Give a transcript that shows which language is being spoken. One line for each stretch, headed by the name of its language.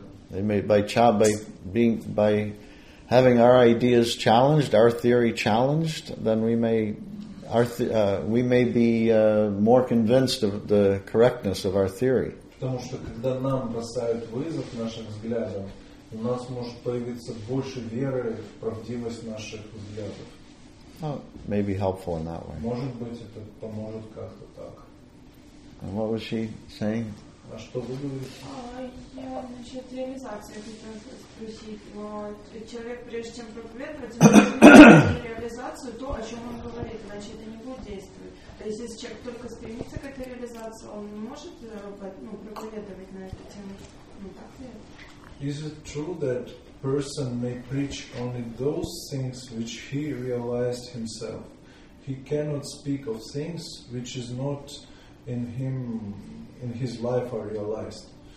English: They may by having our ideas challenged, our theory challenged, then we may be more convinced of the correctness of our theory.
Russian: Потому что когда нам бросают вызов нашим взглядам, у нас может появиться больше веры в правдивость наших взглядов.
English: Oh, maybe helpful in that way.
Russian: Может быть, это поможет как-то так.
English: And what was she saying?
Russian: А что вы говорите? Значит, реализация, хотела спросить. Вот, человек, прежде чем проповедовать, он реализацию, то, о чем он говорит, иначе это не будет действовать. То есть, если человек только стремится к этой реализации, он не может проповедовать на эту тему. Ну, так ли это?
English: Is it true that person may preach only those things which he realized himself? He cannot speak of things which is not in him, in his life are realized.